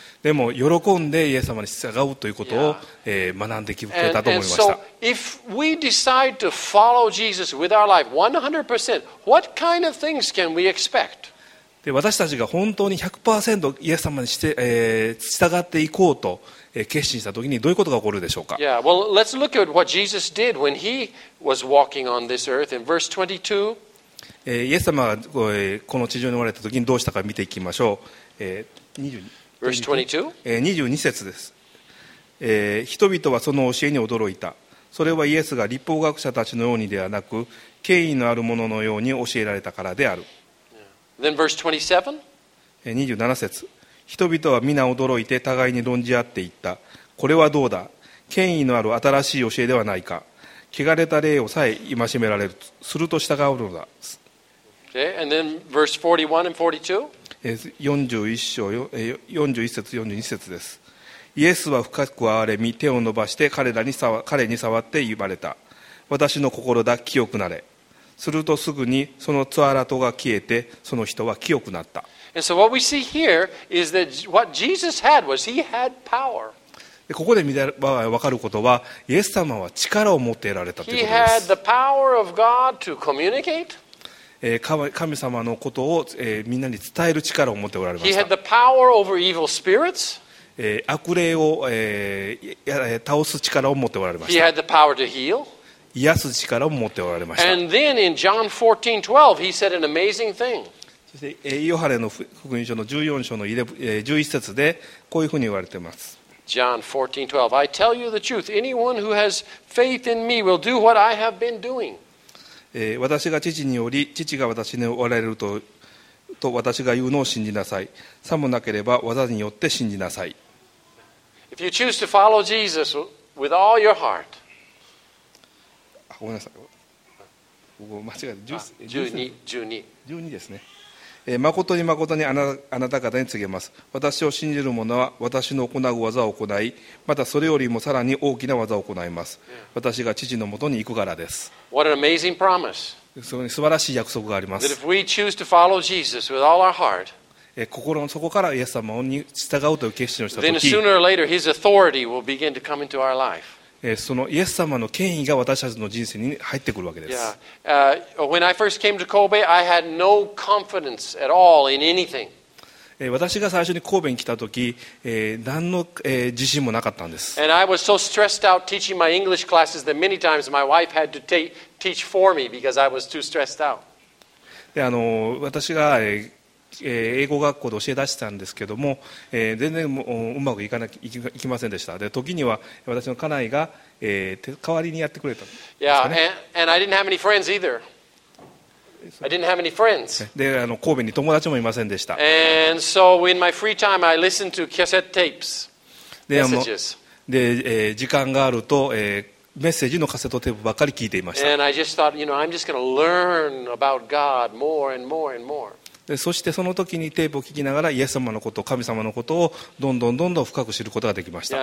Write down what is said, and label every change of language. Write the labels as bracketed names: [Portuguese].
[Japanese] でも喜んでイエス様に従うということを学んできたと思いました。そう、イエス様に従うということを学んで私たちが本当に 100% イエス様にして、従っていこうと決心したときにどういうことが起こるでしょうか。 [English] Yeah, well, let's look at what Jesus did when he was walking on this earth in verse 22. [Japanese] イエス様がこの地上におられたときにどうしたか見ていきましょう。 22 [English] Verse [Japanese] 22節です。人々はその教えに驚いた。それはイエスが律法学者たちのようにではなく、権威のある者のように教えられたからである。 [English] Then verse [Japanese] 27節。人々は皆驚いて互いに論じ合っていった。これはどうだ。権威のある新しい教えではないか。汚れた霊をさえ戒められる。すると従うのだ。 [English] Okay, and then verse 41 and 42? [Japanese] 41節、42節です。イエスは深く憐れみ、手を伸ばして彼に触って言われた。私の心だ、清くなれ。するとすぐにそのつわらとが消えて、その人は清くなった。 [English] And so what we see here is that what Jesus had was he had power. [Japanese] ここで見れば分かることは、イエス様は力を持っていられたということです。 [English] He had the power of God to communicate. [Japanese] 神様のことをみんなに伝える力を持っておられました。 [English] He had the power over evil spirits. [Japanese] 悪霊を倒す力を持っておられました。 [English] He had the power to heal. [Japanese] 癒す力を持っておられました。 [English] And then in John 14:12, he said an amazing thing. [Japanese] そしてヨハネの福音書の14章の11節でこういうふうに言われています。 [English] John 14:12, I tell you the truth, anyone who has faith in me will do what I have been doing. [Japanese] 私が父により父が私におられると私が言うのを信じなさい。さもなければ技によって信じなさい。 [English] If you choose to follow Jesus with all your heart, [Japanese] ごめんなさい。ここ間違えた。 12 ですね。誠に誠にあなた方に告げます。私を信じる者は私の行う技を行い、またそれよりもさらに大きな技を行います。私が父のもとに行くからです。 [English] What an amazing promise. [Japanese] そこに素晴らしい約束があります。 [English] That if we choose to follow Jesus with all our heart, [Japanese] 心の底からイエス様に従うという決心をしたとき、 [English] then sooner or later His authority will begin to come into our life. [Japanese] そのイエス様の権威が私たちの人生に入ってくるわけです。 Yeah. [English] When I first came to Kobe, I had no confidence at all in anything. [Japanese] 私が最初に神戸に来た時、何の自信もなかったんです。 [English] And I was so stressed out teaching my English classes that many times my wife had to teach for me because I was too stressed out. [Japanese] であの私が、英語学校で教え出したんですけども、全然もうまくいかなきいきませんでした。で時には私の家内が、代わりにやってくれたんですかね。 [English] Yeah, and I didn't have any friends either. I didn't have any friends. [Japanese] であの神戸に友達もいませんでした。 [English] And so in my free time I listened to cassette tapes messages. [Japanese] で、時間があると、メッセージのカセットテープばかり聞いていました。 [English] And I just thought, you know, I'm just going to learn about God more and more and more. [Japanese] でそしてその時にテープを聞きながらイエス様のこと神様のことをどんどんどんどん深く知ることができました。